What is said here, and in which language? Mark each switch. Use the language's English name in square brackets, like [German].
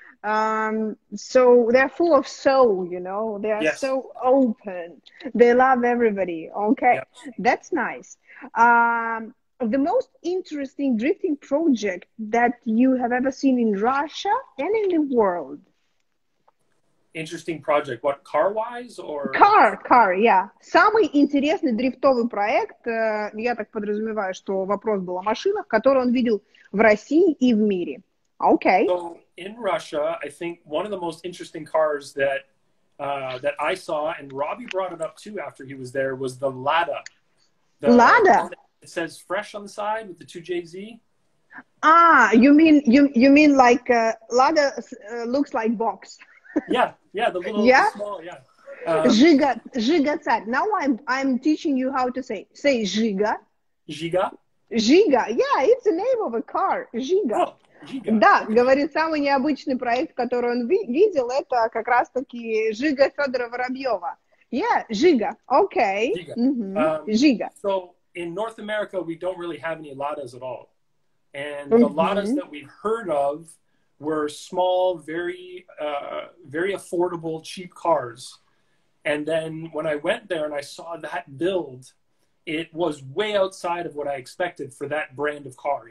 [English] So they're full of soul, you know, they are so open, they love everybody. Okay, that's nice. The most interesting drifting project that you have ever seen in Russia and in the world? Interesting project, what, car-wise or? Car, yeah. [Russian] Самый интересный дрифтовый проект, я так подразумеваю, что вопрос был о машинах, которые он видел в России и в мире. [English] Okay. So in Russia, I think one of the most interesting cars that that I saw, and Robbie brought it up too after he was there, was the Lada. Lada? It says fresh on the side with the 2JZ. Ah, you mean like Lada looks like box. Yeah, the little small. [Russian] Жига царь. [English] Now I'm teaching you how to say Жига. [Russian] Жига? [English] Жига. Yeah, it's the name of a car. Жига. Oh. Жига. [Russian] Да, говорит, самый необычный проект, который он видел, это как раз-таки Жига Федора Воробьева. [English] Yeah, Жига, okay. Жига. Mm-hmm. So, in North America, we don't really have any Ladas at all. And the Ladas that we've heard of were small, very, very affordable, cheap cars. And then when I went there and I saw that build, it was way outside of what I expected for that brand of car.